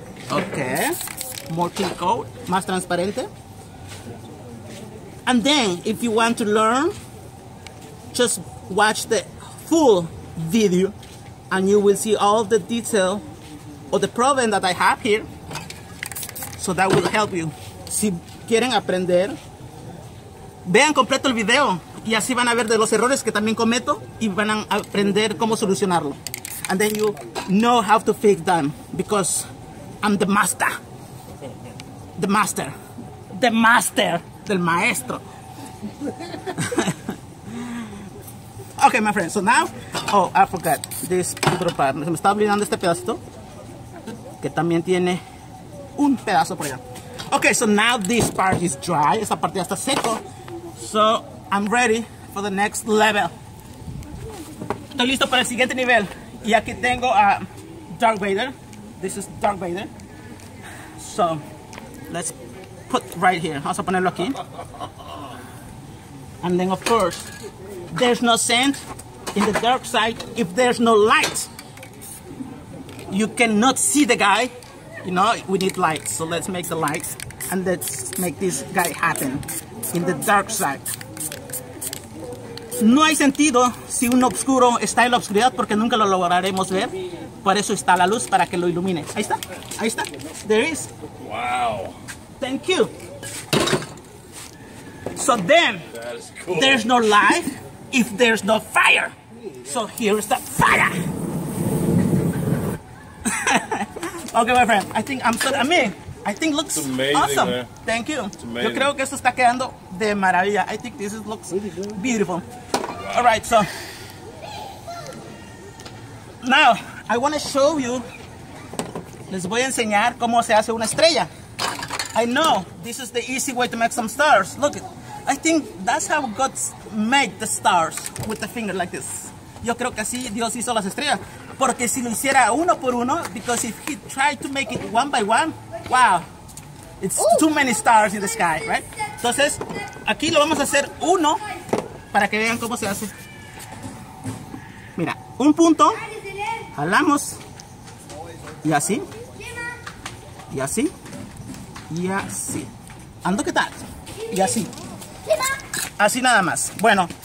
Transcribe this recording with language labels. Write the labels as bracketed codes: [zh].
[en] Okay. More clear coat, [es] más transparente. [en] And then, if you want to learn, just watch the full video and you will see all the detail or the problem that I have here. So that will help you. [es] Si quieren aprender, vean completo el video y así van a ver de los errores que también cometo y van a aprender cómo solucionarlo. [en] And then you know how to fix them because I'm the master. The master. The master. [es] Del maestro. [en] Okay, my friend. So now, oh, I forgot this otro part. [es] Se me está olvidando este pedacito que también tiene un pedazo por allá. [en] Okay, so now this part is dry. [es] Esta parte ya está seco. [en] So I'm ready for the next level. [es] Estoy listo para el siguiente nivel. Y aquí tengo a Darth Vader. [en] This is Darth Vader. So, let's put right here. [es] Vamos a ponerlo aquí. [en] And then of course, there's no scent in the dark side. If there's no light, you cannot see the guy. You know, we need light. So let's make the light. And let's make this guy happen in the dark side. [es] No hay sentido si un oscuro está en la oscuridad porque nunca lo lograremos ver. Por eso está la luz, para que lo ilumine. Ahí está, ahí está. [en] There is. Wow. Thank you. So then, cool. There's no life if there's no fire. So here's the fire. Okay, my friend. I think I'm good. I mean, I think looks amazing, awesome. Man. Thank you. It's amazing. [es] Yo creo que esto está quedando de maravilla. [en] I think this looks beautiful. Wow. All right, so now I want to show you. [es] Les voy a enseñar cómo se hace una estrella. [en] I know this is the easy way to make some stars. Look, I think that's how God made the stars with the finger like this. [es] Yo creo que así Dios hizo las estrellas. Porque si lo hiciera uno por uno, [en] because if he tried to make it one by one, wow, it's too many stars in the sky, right? [es] Entonces, aquí lo vamos a hacer uno para que vean cómo se hace. Mira, un punto, jalamos, y así, y así, y así. ¿Ando qué tal? Y así. Así nada más. Bueno.